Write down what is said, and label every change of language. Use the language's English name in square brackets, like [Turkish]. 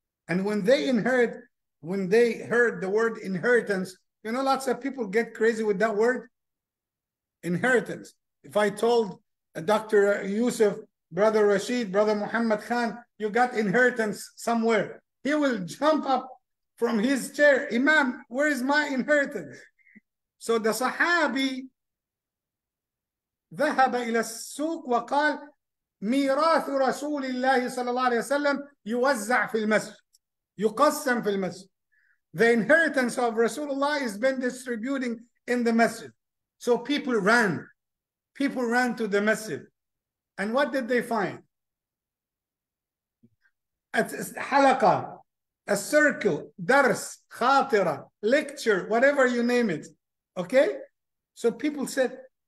[English] And when they heard the word inheritance, you know, lots of people get crazy with that word, inheritance. If I told Dr. Yusuf, Brother Rashid, Brother Muhammad Khan, you got inheritance somewhere, he will jump up from his chair. Imam, where is my inheritance? So the Sahabi [Arabic] ذهب إلى السوق وقال ميراث رسول الله صلى الله عليه وسلم يوزع في المسجد يقسم في المسجد. [English] The inheritance of Rasulullah has been distributing in the masjid. So people ran. People ran to the masjid. And what did they find? Halaqa. A circle, dars, khatira, lecture, whatever you name it. Okay? So people said,